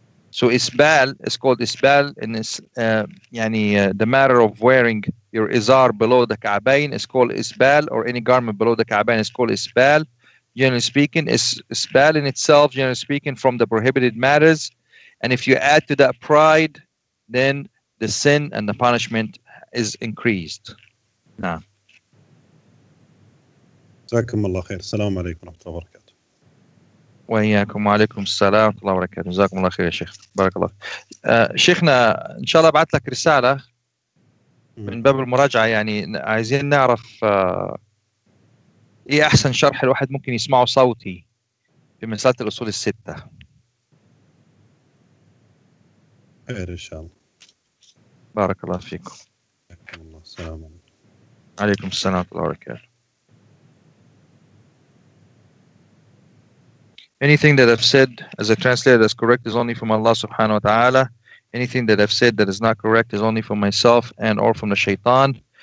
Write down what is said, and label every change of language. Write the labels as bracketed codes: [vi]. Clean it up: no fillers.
[en] So isbal is called isbal, and it's the matter of wearing your izar below the ka'bain is called isbal, or any garment below the ka'bain is called isbal. Generally speaking, isbal in itself, generally speaking, from the prohibited matters. And if you add to that pride, then the sin and the punishment is increased. Nah. [ar] جزاكم الله خير. السلام عليكم ورحمة الله وبركاته. وإياكم وعليكم السلام ورحمة الله وبركاته. جزاكم الله خير يا شيخ. بارك الله. شيخنا إن شاء الله بعت لك رسالة من باب المراجعة، يعني عايزين نعرف إيه أحسن شرح الواحد ممكن يسمعه صوتي في مسألة الأصول الستة. خير إن شاء الله. بارك الله فيكم. جزاكم الله. السلام عليكم. عليكم السلام ورحمة الله وبركاته. [en] Anything that I've said as a translator that's correct is only from Allah subhanahu wa ta'ala. Anything that I've said that is not correct is only from myself and or from the shaitan.